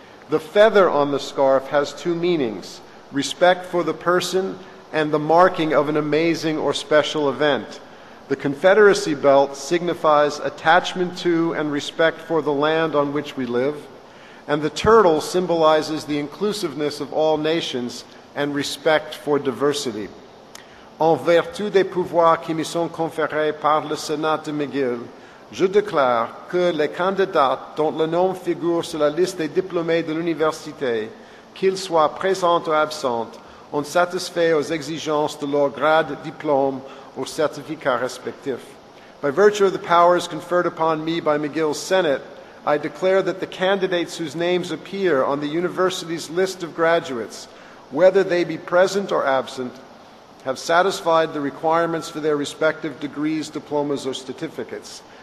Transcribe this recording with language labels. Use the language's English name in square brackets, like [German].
[English] The feather on the scarf has two meanings, respect for the person and the marking of an amazing or special event. The Confederacy belt signifies attachment to and respect for the land on which we live, and the turtle symbolizes the inclusiveness of all nations and respect for diversity. [French] En vertu des pouvoirs qui me sont conférés par le Sénat de McGill, je déclare que les candidats dont le nom figure sur la liste des diplômés de l'université, qu'ils soient présents ou absents, ont satisfait aux exigences de leur grade, diplôme ou certificat respectif. [English] By virtue of the powers conferred upon me by McGill's Senate, I declare that the candidates whose names appear on the university's list of graduates, whether they be present or absent, have satisfied the requirements for their respective degrees, diplomas, or certificates.